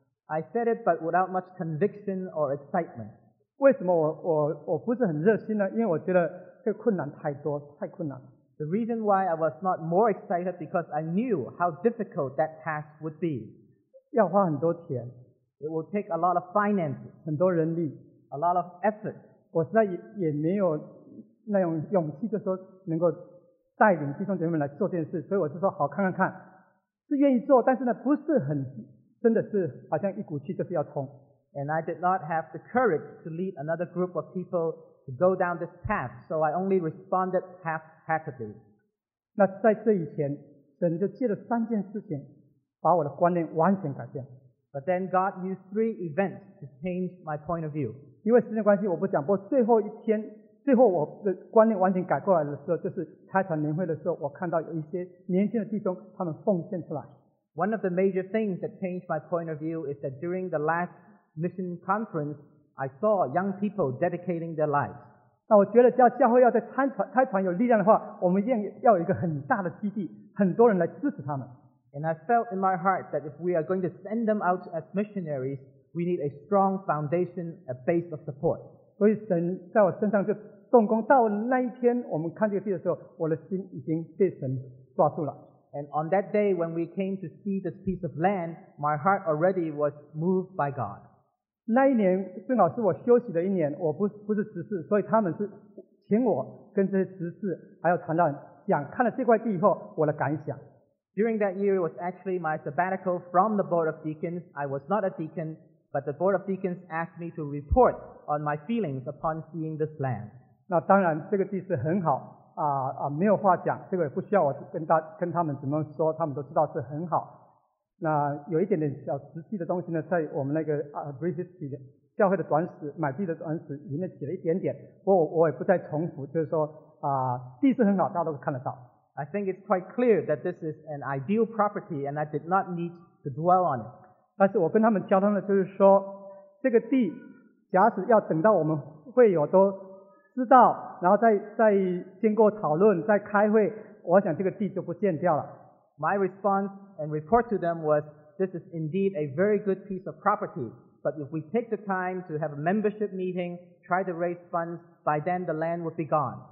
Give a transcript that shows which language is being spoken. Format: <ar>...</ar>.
<en>I said it, but without much conviction or excitement.</en> <zh>为什么我不是很热心呢？因为我觉得这个困难太多，太困难。</zh> <en>The reason why I was not more excited because I knew how difficult that task would be.</en> <zh>要花很多钱。</zh> <en>It will take a lot of finances.</en> <zh>很多人力。</zh> <en>A lot of effort.</en> <zh>我实在也没有那种勇气，就说能够带领弟兄姐妹们来做这件事，所以我就说好看看看，是愿意做，但是呢不是很真的是好像一股气就是要冲。</zh> <en>And I did not have the courage to lead another group of people to go down this path, so I only responded half. Happily.</en> <zh>那在这以前，神就借了三件事情，把我的观念完全改变。</zh> <en>But then God used 3 events to change my point of view.</en> <zh>因为时间关系，我不讲。不过最后一天，最后我的观念完全改过来的时候，就是拆团年会的时候，我看到有一些年轻的弟兄他们奉献出来。</zh> <en>One of the major things that changed my point of view is that during the last mission conference, I saw young people dedicating their lives.</en> <zh>那我觉得教教会要在参团开团有力量的话，我们一定要有一个很大的基地，很多人来支持他们。</zh> <en>And I felt in my heart that if we are going to send them out as missionaries, we need a strong foundation, a base of support.</en> <zh>所以神在我身上就动工。到那一天我们看这个地的时候，我的心已经被神抓住了。</zh> <en>And on that day when we came to see this piece of land, my heart already was moved by God.</en> <zh>那一年正好是我休息的一年，我不是执事，所以他们是请我跟这些执事还有传道人讲看了这块地以后我的感想。</zh> <en>During that year, it was actually my sabbatical from the Board of Deacons. I was not a deacon, but the Board of Deacons asked me to report on my feelings upon seeing this land.</en> <zh>那当然这个地是很好没有话讲，这个也不需要我跟他们怎么说，他们都知道是很好。那有一点点小实际的东西呢，在我们那个Brisbane的教会的短史买地的短史里面写了一点点，不过我也不再重复，就是说地是很好，大家都看得到。</zh> <en>I think it's quite clear that this is an ideal property and I did not need to dwell on it.</en> <zh>但是我跟他们交通的就是说，这个地假使要等到我们会有都知道，然后再经过讨论再开会，我想这个地就不见掉了。</zh> <en>My response and report to them was, this is indeed a very good piece of property, but if we take the time to have a membership meeting, try to raise funds, by then the land would be gone.</en>